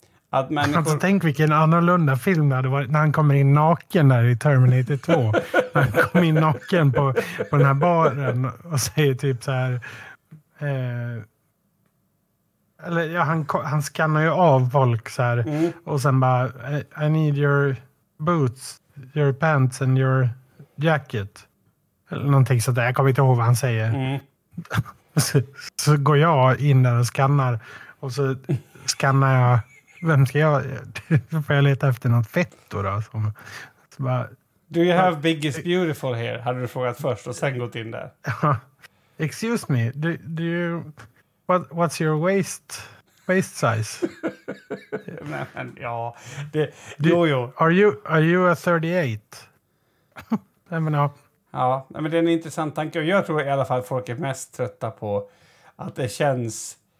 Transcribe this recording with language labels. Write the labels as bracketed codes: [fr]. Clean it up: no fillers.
[sv] Att människor... alltså, tänk vilken annorlunda film det hade varit när han kommer in naken där i Terminator 2. Han kommer in naken på den här baren och säger typ så här... eller ja, han skannar ju av folk så här. Mm. Och sen bara, [en] I need your boots, your pants and your jacket. [sv] Eller någonting sådär, jag kommer inte ihåg vad han säger. Mm. Så går jag in där och skannar. Och så skannar jag, vem ska jag, får jag leta efter något fett då? Så bara, [en] do you have biggest beautiful hair? [sv] Hade du frågat först och sen gått in där. [en] Excuse me, do you... What's your waist size? [sv] Men, ja, det, du, jo. [en] Are you a 38? [sv] Nej, men ja. Ja, men det är en intressant tanke. Och jag tror i alla fall folk är mest trötta på att det känns...